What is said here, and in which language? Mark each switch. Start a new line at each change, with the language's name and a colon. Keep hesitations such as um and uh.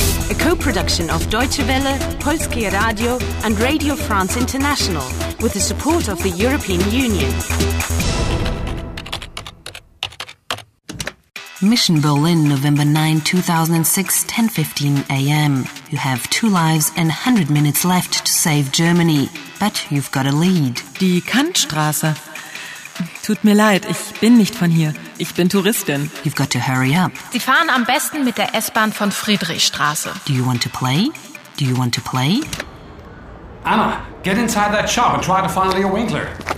English: A co production of Deutsche Welle, Polskie Radio, and Radio France International with the support of the European Union. Mission Berlin, November 9, 2006, 10.15 a.m. You have two lives and 100 minutes left to save Germany, but you've got a lead.
German: Die Kantstraße. Tut mir leid, ich bin nicht von hier. Ich bin Touristin.
English: You've got to hurry up.
German: Sie fahren am besten mit der S-Bahn von Friedrichstraße.
English: Do you want to play? Do you want to play? Anna, get inside that shop and try to find Leo Winkler.